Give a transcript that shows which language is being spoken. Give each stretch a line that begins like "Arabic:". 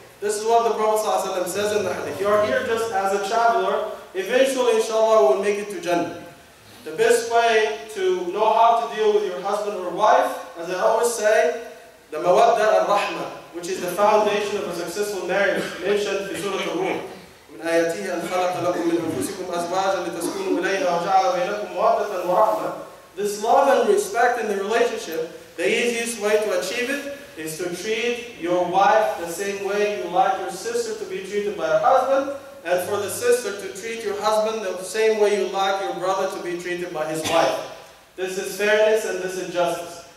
English: This is what the Prophet ﷺ says in the hadith. You are here just as a traveler, eventually inshallah we'll make it to Jannah. The best way to know how to deal with your husband or wife, as I always say, the mawadda al-rahmah, which is the foundation of a successful marriage, mentioned in Surah Al-Rum.
Arabic: من آياته أن خلق لكم من أنفسكم أزواجا لتسكنوا إليها وجعل بينكم مودة ورحمة.
English: This love and respect in the relationship, the easiest way to achieve it is to treat your wife the same way you like your sister to be treated by her husband, and for the sister to treat your husband the same way you like your brother to be treated by his wife. This is fairness and this is justice.